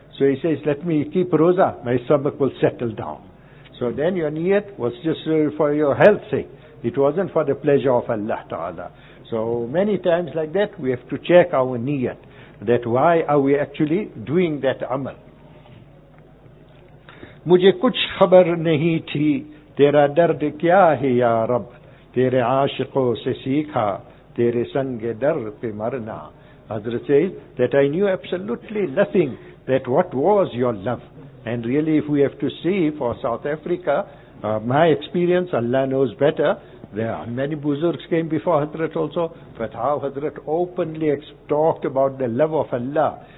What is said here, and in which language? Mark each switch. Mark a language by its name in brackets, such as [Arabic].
[English] So he says, let me keep roza, my stomach will settle down. So then your niyat was just for your health sake. It wasn't for the pleasure of Allah Ta'ala. So many times like that, we have to check our niyat, that why are we actually doing that amal. [Urdu] مجھے کچھ خبر نہیں تھی تیرا درد کیا ہے یا رب تیرے عاشقوں سے سیکھا تیرے سنگ درد پہ مرنا. [English] Hazrat says that I knew absolutely nothing that what was your love. And really, if we have to see for South Africa, my experience, Allah knows better. There are many buzurgs came before Hazrat also, but how Hazrat openly talked about the love of Allah.